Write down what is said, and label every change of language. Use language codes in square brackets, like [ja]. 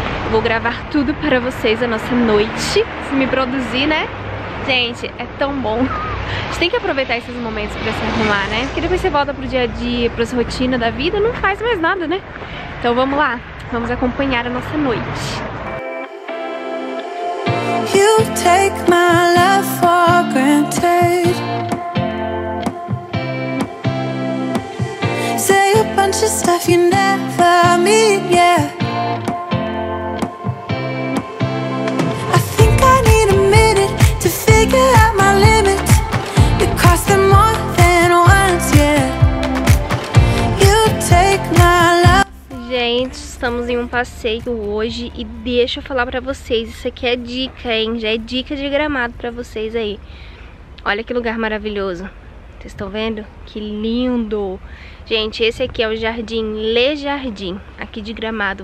[pt] Vou gravar tudo para vocês, a nossa noite, se me produzir, né? Gente, é tão bom. A gente tem que aproveitar esses momentos para se arrumar, né? Porque depois você volta pro dia a dia, para as rotinas da vida, não faz mais nada, né? Então vamos lá, vamos acompanhar a nossa noite. [en] You take my love for granted. Say a bunch of stuff you never mean, yeah. I think I need a minute to figure out my limits. You cross them more than once, yeah. You take my love. [pt] Gente, passamos em um passeio hoje e deixa eu falar pra vocês, isso aqui é dica, hein? Já é dica de Gramado pra vocês aí. Olha que lugar maravilhoso. Vocês estão vendo? Que lindo! Gente, esse aqui é o Jardim Le Jardim, aqui de Gramado.